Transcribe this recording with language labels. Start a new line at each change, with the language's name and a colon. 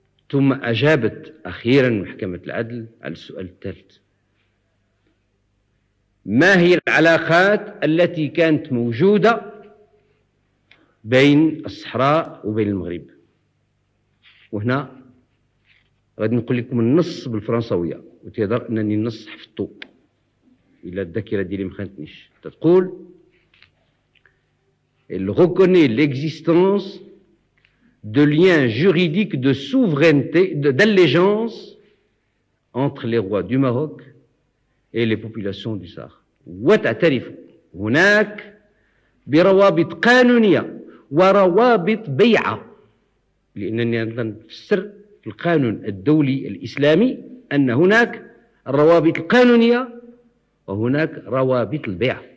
Arabic: ثم أجابت أخيرا محكمة العدل على السؤال الثالث: ما هي العلاقات التي كانت موجودة بين الصحراء وبين المغرب؟ وهنا غادي نقول لكم النص بالفرنسوية، وتيهضر أنني النص حفظته إلا الذاكرة ديالي مخانتنيش. تقول:
French: Elle reconnaît l'existence de liens juridiques de souveraineté, d'allégeance entre les rois du Maroc et les populations du Sahara.
Arabic: وتعترف هناك بروابط قانونية وروابط بيعة لأنني أيضا فسر في القانون الدولي الإسلامي أن هناك الروابط القانونية وهناك روابط البيع.